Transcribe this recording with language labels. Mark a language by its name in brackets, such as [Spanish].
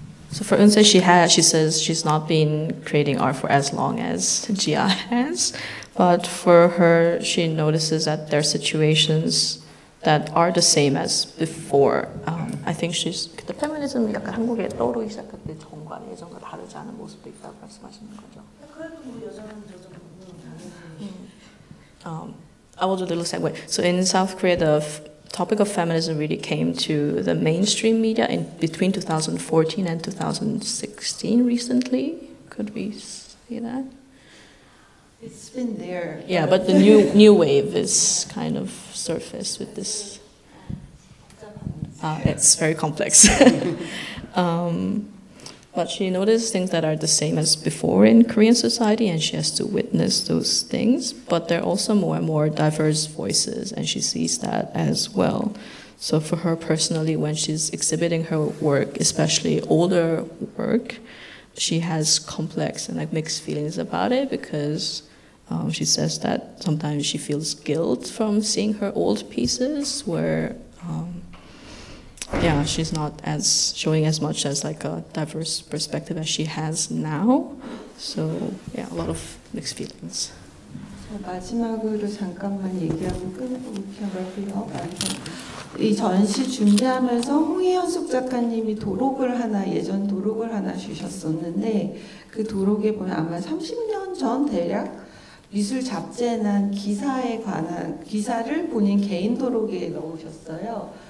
[English] So for Eunsae, she says she's not been creating art for as long as Jia has, but for her, she notices that there are situations that are the same as before. I think she's. [Korean] 그때 페미니즘이 약간 한국에 떠오르기 시작할 때 전과 예전과 다르지 않은 모습도 있다고 말씀하시는 거죠. [English] I will do a little segue. So in South Korea, the topic of feminism really came to the mainstream media in between 2014 and 2016 recently. Could we say that? It's been there. Yeah, but the new wave is kind of surfaced with this. It's very complex. But she noticed things that are the same as before in Korean society, and she has to witness those things. But there are also more and more diverse voices, and she sees that as well. So for her personally, when she's exhibiting her work, especially older work, she has complex and like mixed feelings about it, because she says that sometimes she feels guilt from seeing her old pieces where yeah, she's not as showing as much as like a diverse perspective as she has now. So yeah, a lot of mixed feelings. [Korean] 마지막으로 잠깐만 얘기하고 끊어볼게요. 이 전시 준비하면서 홍혜연숙 작가님이 도록을 하나 예전 도록을 하나 주셨었는데 그 도록에 보면 아마 30년 전 대략 미술 잡지에는 기사에 관한 기사를 본인 개인 도록에 넣으셨어요.